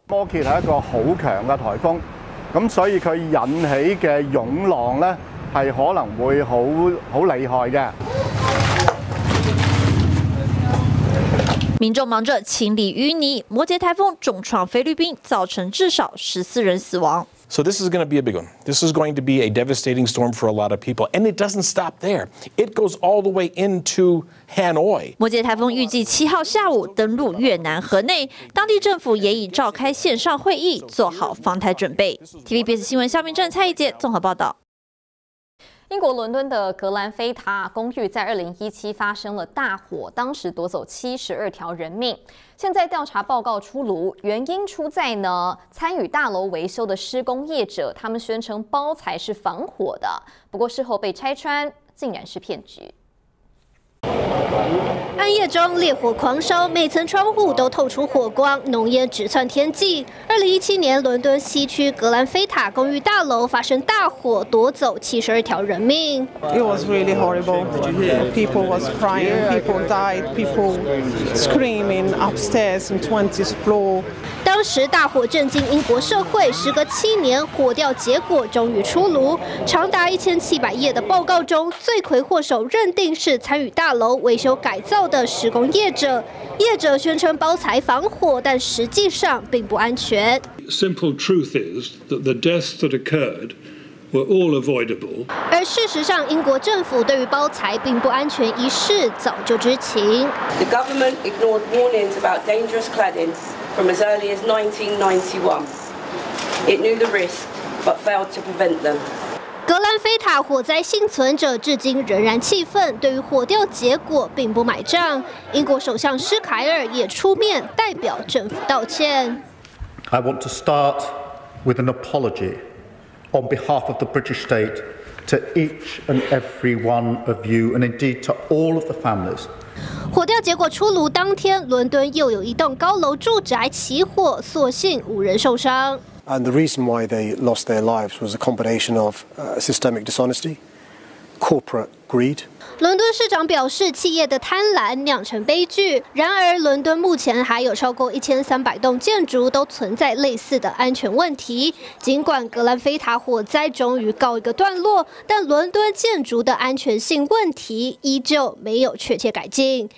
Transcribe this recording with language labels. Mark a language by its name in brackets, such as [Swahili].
[Chinese] 摩羯是一个很强的台风，所以它引起的涌浪是可能会很厉害的。民众忙着清理淤泥。摩羯台风重创菲律宾，造成至少14人死亡。 [English] So this is going to be a big one. This is going to be a devastating storm for a lot of people. And it doesn't stop there. It goes all the way into Hanoi. [Chinese] 摩羯台风预计7号下午登陆越南河内，当地政府也已召开线上会议，做好防台准备。 TVBS 新闻肖明正、蔡一杰综合报道。英国伦敦的格兰菲塔公寓在2017发生了大火，当时夺走72条人命。现在调查报告出炉，原因出在呢，参与大楼维修的施工业者，他们宣称包材是防火的，不过事后被拆穿，竟然是骗局。暗夜中烈火狂烧，每层窗户都透出火光，浓烟直窜天际。 2017年伦敦西区格兰菲塔公寓大楼发生大火，夺走72条人命。 [English] It was really horrible. People was crying, people died, people screaming upstairs in 20th floor. [Chinese] 当时大火震惊英国社会，时隔七年，火调结果终于出炉。长达1700页的报告中，罪魁祸首认定是参与大楼维修改造的施工业者，业者宣称包材防火，但实际上并不安全。 [English] Simple truth is that the deaths that occurred were all avoidable. [Chinese] 而事实上，英国政府对于包材并不安全一事早就知情。 [English] The government ignored warnings about dangerous cladding from as early as 1991. It knew the risk but failed to prevent them. [Chinese] 格兰菲塔火灾幸存者至今仍然气愤，对于火调结果并不买账。英国首相施凯尔也出面代表政府道歉。 [English] I want to start with an apology on behalf of the British state to each and every one of you, and indeed to all of the families. [Chinese] 火调结果出炉当天，伦敦又有一栋高楼住宅起火，所幸无人受伤。 [English] And the reason why they lost their lives was a combination of systemic dishonesty, corporate greed. [Chinese] 伦敦市长表示，企业的贪婪酿成悲剧。然而，伦敦目前还有超过1300栋建筑都存在类似的安全问题。尽管格兰菲塔火灾终于告一个段落，但伦敦建筑的安全性问题依旧没有确切改进。